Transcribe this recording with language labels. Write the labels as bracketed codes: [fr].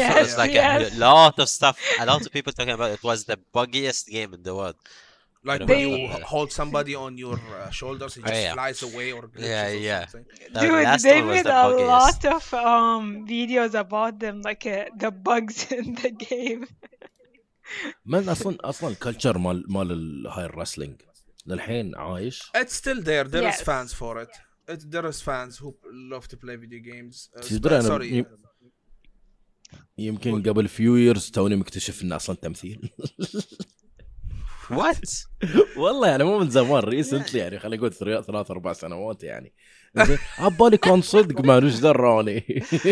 [en] it was like a lot of stuff, a lot of people talking about it. It was the buggiest game in the world. Like when you hold somebody on your shoulders, it just flies away or glitches or something. Dude, they made a lot of videos about them, like the bugs in the game. [ar] من اصلا الكلتشر مال هاي الرسلينج للحين عايش. [en] It's still there. There is fans for it. there is fans who love to play video games. Sorry. [ar] يمكن قبل few years توني مكتشف إن أصلاً تمثيل. [en] What? [ar] والله يعني مو من زمان recently يعني خلي أقول 3-4 سنوات يعني. عبالي كان صدق ما روش دراني.